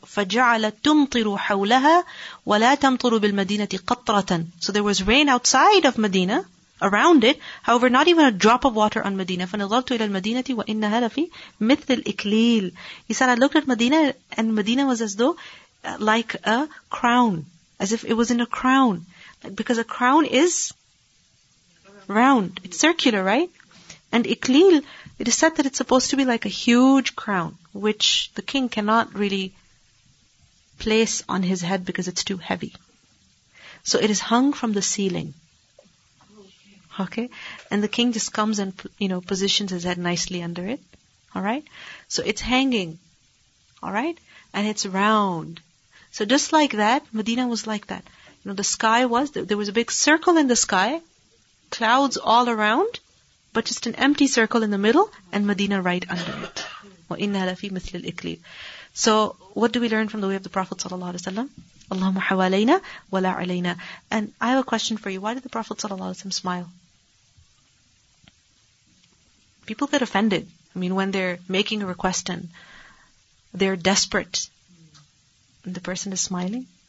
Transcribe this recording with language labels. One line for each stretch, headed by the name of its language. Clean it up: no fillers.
Arabic: فجعلت تمطر حولها ولا تمطر بالمدينة قطرة.
English: So there was rain outside of Medina, around it. However, not even a drop of water on Medina.
Arabic: فنظرت إلى المدينة وإنها لفي مثل الإكليل.
English: He said, I looked at Medina and Medina was as though like a crown. As if it was in a crown. Because a crown is round. It's circular, right? And Ikleel, it is said that it's supposed to be like a huge crown, which the king cannot really place on his head because it's too heavy. So it is hung from the ceiling. Okay? And the king just comes and, you know, positions his head nicely under it. Alright? So it's hanging. Alright? And it's round. So just like that, Medina was like that. You know, the sky was, there was a big circle in the sky, clouds all around, but just an empty circle in the middle, and Medina right under it.
Arabic: وَإِنَّا لَفِي مِثْلِ الْإِكْلِيلِ.
English: So, what do we learn from the way of the Prophet ﷺ?
Arabic: اللهم حوالينا ولا علينا.
English: And I have a question for you. Why did the Prophet ﷺ smile? People get offended. I mean, when they're making a request and they're desperate, and the person is smiling.